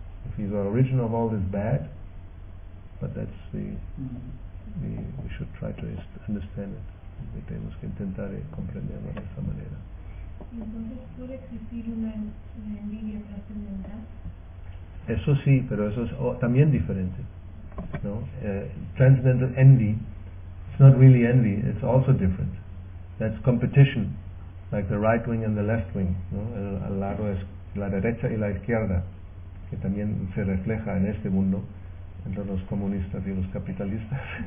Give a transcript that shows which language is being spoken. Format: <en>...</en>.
<en>If he's the origin of all this bad, but that's the we should try to understand it.</en> <es>Y tenemos que intentar comprenderlo de esa manera. ¿Puede existir una envidia trascendental? Eso sí, pero eso es también diferente, ¿no?</es> <en>Transcendental envy, it's not really envy, it's also different. That's competition, like the right wing and the left wing, ¿no?</en> <es>El lado es la derecha y la izquierda, que también se refleja en este mundo entre los comunistas y los capitalistas.</es>